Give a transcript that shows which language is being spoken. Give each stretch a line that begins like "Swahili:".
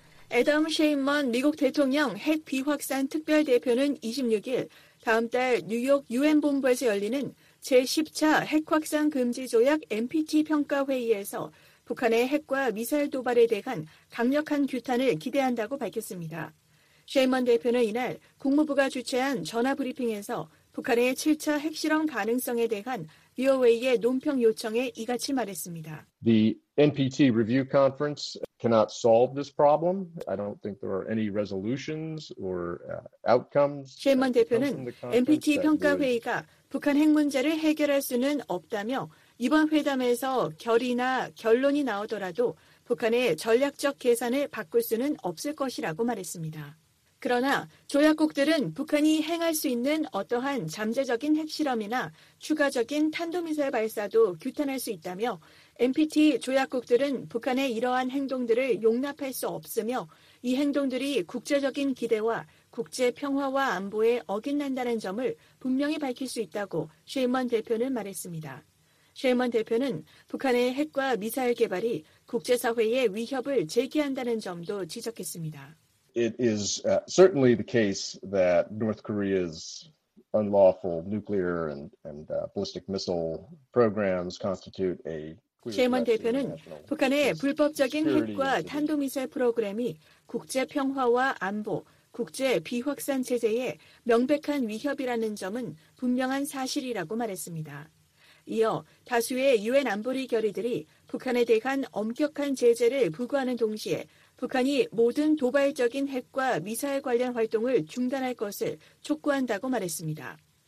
Korean: 애덤 셰인먼 미국 대통령 핵 비확산 특별대표는 26일 다음 달 뉴욕 유엔 본부에서 열리는 제10차 핵확산 금지조약 NPT 평가회의에서 북한의 핵과 미사일 도발에 대한 강력한 규탄을 기대한다고 밝혔습니다. 셰인먼 대표는 이날 국무부가 주최한 전화 브리핑에서 북한의 7차 핵실험 가능성에 대한 BOA의 논평 요청에 이같이 말했습니다.
English: The NPT review conference cannot solve this problem. I don't think there are any resolutions or outcomes.
Korean: 셰인먼 대표는 NPT 평가 회의가 북한 핵 문제를 해결할 수는 없다며 이번 회담에서 결의나 결론이 나오더라도 북한의 전략적 계산을 바꿀 수는 없을 것이라고 말했습니다. 그러나 조약국들은 북한이 행할 수 있는 어떠한 잠재적인 핵실험이나 추가적인 탄도미사일 발사도 규탄할 수 있다며 NPT 조약국들은 북한의 이러한 행동들을 용납할 수 없으며 이 행동들이 국제적인 기대와 국제 평화와 안보에 어긋난다는 점을 분명히 밝힐 수 있다고 셰인먼 대표는 말했습니다. 셰인먼 대표는 북한의 핵과 미사일 개발이 국제사회의 위협을 제기한다는 점도 지적했습니다.
English: It is certainly the case that North Korea's unlawful nuclear and ballistic missile programs constitute a
Korean: 셰인먼 대표는 북한의 불법적인 핵과 탄도미사일 프로그램이 국제 평화와 안보, 국제 비확산 체제에 명백한 위협이라는 점은 분명한 사실이라고 말했습니다. 이어 다수의 유엔 안보리 결의들이 북한에 대한 엄격한 제재를 부과하는 동시에 북한이 모든 도발적인 핵과 미사일 관련 활동을 중단할 것을 촉구한다고 말했습니다.